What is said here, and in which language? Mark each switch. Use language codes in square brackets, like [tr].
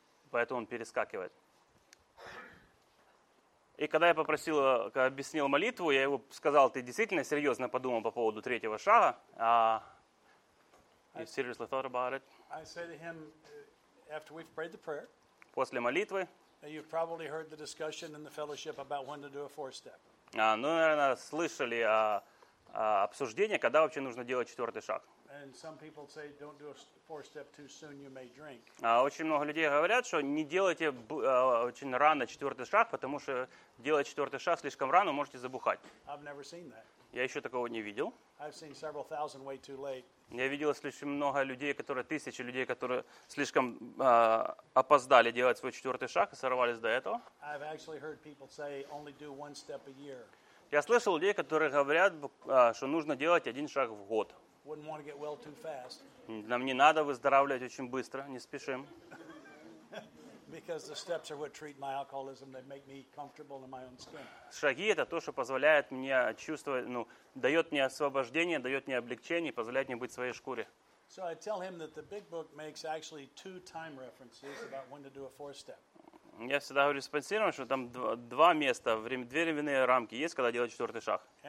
[ru] Поэтому он перескакивает. И когда я попросил, объяснил молитву, я ему сказал, ты действительно серьезно подумал по поводу третьего шага? [en] You seriously thought about it? I said to him, after we've prayed the prayer. [ru] После молитвы. [en] You've probably heard the discussion in the fellowship about when to do a fourth step. [ru] Ну, наверное, слышали обсуждение, когда вообще нужно делать четвертый шаг. [en] And some people say, don't do a fourth step too soon, you may drink. [ru] Очень много людей говорят, что не делайте очень рано четвертый шаг, потому что делать четвертый шаг слишком рано, можете забухать. [en] I've never seen that. [ru] Я еще такого не видел. [en] I've seen several thousand way too late. [ru] Я видел слишком много людей, тысячи людей, которые слишком опоздали делать свой четвертый шаг и сорвались до этого. [en] I've actually heard people say only do one step a year. [ru] Я слышал людей, которые говорят, что нужно делать один шаг в год. [en] Wouldn't want to get well too fast. [ru] Нам не надо выздоравливать очень быстро, не спешим. [en] Because the steps are what treat my alcoholism, they make me comfortable in my own skin. [ru] Шаги это то, что позволяет мне чувствовать, ну, дает мне освобождение, дает мне облегчение, позволяет мне быть в своей шкуре. [en] So I tell him that the big book makes actually two time references about when to do a fourth step. [ru] Я всегда говорю спонсированным, что там два места, две временные рамки есть, когда делать четвертый шаг.